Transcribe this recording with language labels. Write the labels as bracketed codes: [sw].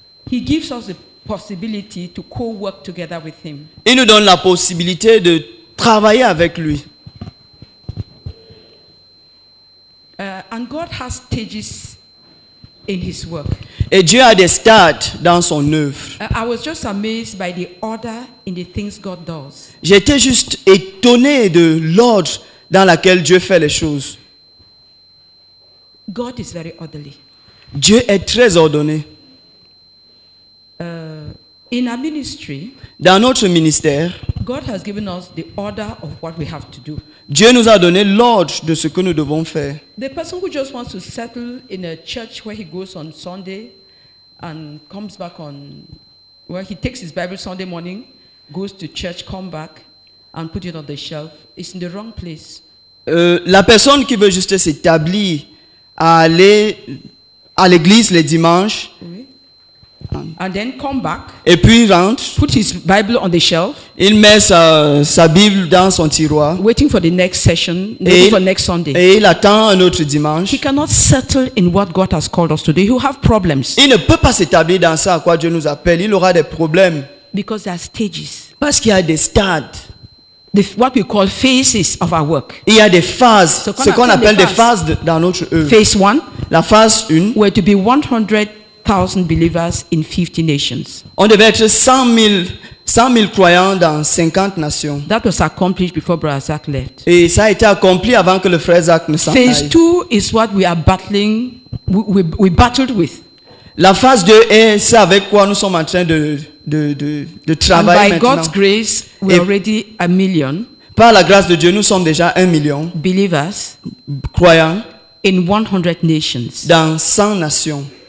[en] he gives us the possibility to co-work together with him. [fr] Il nous donne la possibilité de travailler avec lui. [en] And God has stages in his work. [fr] Et Dieu a des stades dans son œuvre. [en] I was just amazed by the order in the things God does. [fr] J'étais juste étonné de l'ordre dans lequel Dieu fait les choses. [en] God is very orderly. [fr] Dieu est très ordonné. [en] In our ministry, [fr] dans notre ministère, [en] God has given us the order of what we have to do. [fr] Dieu nous a donné l'ordre de ce que nous devons faire. [en] The person who just wants to settle in a church where he goes on Sunday and comes back on, where he takes his Bible Sunday morning, goes to church, come back and put it on the shelf, is in the wrong place. [fr] La personne qui veut juste s'établir à aller à l'église les dimanches, [en] oui. And then come back. [fr] Et puis il rentre. [en] Put his Bible on the shelf. [fr] Il met sa Bible dans son tiroir. [en] Waiting for the next session, waiting for next Sunday. [fr] Et il attend un autre dimanche. [en] He cannot settle in what God has called us to do. He'll have problems. [fr] Il ne peut pas s'établir dans ça à quoi Dieu nous appelle. Il aura des problèmes. [en] Because there are stages. [fr] Parce qu'il y a des stades. [en] What we call phases of our work. [fr] Il y a des phases, so ce qu'on appelle des phases dans notre œuvre. [en] Phase 1, [fr] la phase 1, [en] were to be 100,000 believers in 50 nations. [fr] On devait être 100,000 croyants dans 50 nations. [en] That was accomplished before Brother Zach left. [fr] Et ça a été accompli avant que le frère Zach ne s'en aille. [en] Phase 2 is what we are battling, we battled with. [fr] La phase 2 est ce avec quoi nous sommes en train de travailler [en] by [fr] maintenant. [en] God's grace, we are already a million. [fr] Par la grâce de Dieu, nous sommes déjà 1 million. [en] Believers, [fr] croyants, [en] in 100 nations. [fr] Dans 100 nations.